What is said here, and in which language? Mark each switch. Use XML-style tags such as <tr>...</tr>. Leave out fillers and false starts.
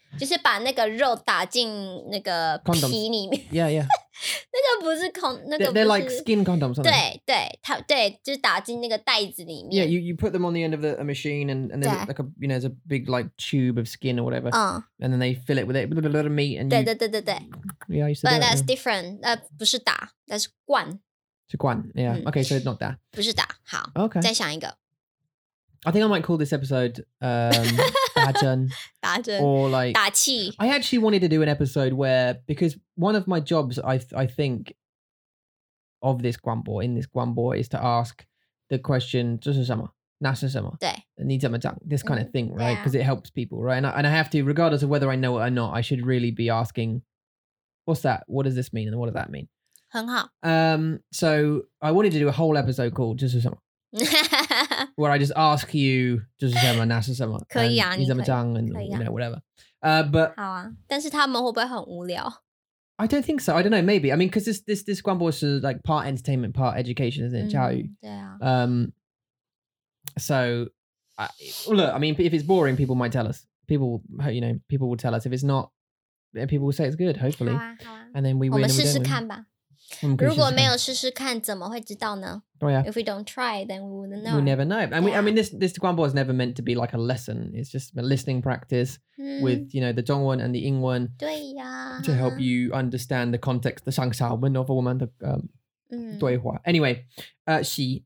<zh>就是把那个肉打进那个皮里面.</zh> <en>Condoms. Yeah, yeah.</en> <zh>那个不是 那个不是...</zh> <en>They're like skin condoms, aren't they?</en> <zh>对，就是打进那个袋子里面.</zh> <en>Yeah, you put them on the end of a machine and then like a, you know, there's a big like tube of skin or whatever. And then they fill it with it, a little bit of meat and</en> <zh>对对对对对.</zh> <en>Yeah, I used to But do that's it, different. Yeah.</en> <zh>不是打,</zh> <en>that's</en> <zh>灌.</zh> <en>To 灌, yeah. Okay, so not 打.</en> <zh>不是打, 好.</zh> <en>Okay.</en> <zh>再想一个.</zh> <en>I think I might call this episode 打针,</en> <zh>打针,</zh> <en>or like</en> <zh>打气.</zh> <en>I actually wanted to do an episode where, because one of my jobs, I think, of this 广播, in this 广播, is to ask the question</en> <zh>这是什么? 那是什么? 对. 你怎么讲?</zh> <en>This kind of thing, right? Because yeah. it helps people, right? And I have to, regardless of whether I know it or not, I should really be asking, what's that? What does this mean? And what does that mean?</en> <zh>很好.</zh> <en>So I wanted to do a whole episode called</en> <zh>这是什么?</zh> <en>Where I just ask you,</en> <zh>就是什么, 那是什么, 可以啊,</zh> <en>and</en> <zh>你怎么讲,</zh> <en>and</en> <zh>可以啊.</zh> <en>You know, whatever. But</en> <zh>好啊, 但是他们会不会很无聊?</zh> <en>I don't think so. I don't know, maybe. I mean, because this 广播 is like part entertainment, part education, isn't it?</en> <zh>教育. 对啊.</zh> <en>So, look, I mean, if it's boring, people might tell us. People will tell us. If it's not, people will say it's good, hopefully.</en> <zh>好啊, 好啊.</zh> <en>And then we win.</en> <zh>我们试试看吧. 如果没有试试看怎么会知道呢?</zh> <en>Oh, yeah. If we don't try, then we wouldn't know. We never know. And yeah. I mean, this 广播 is never meant to be like a lesson. It's just a listening practice with, you know, the 中文 and the 英文 to help you understand the context, the 上下文 of a woman, the 对话. Anyway, she.</en>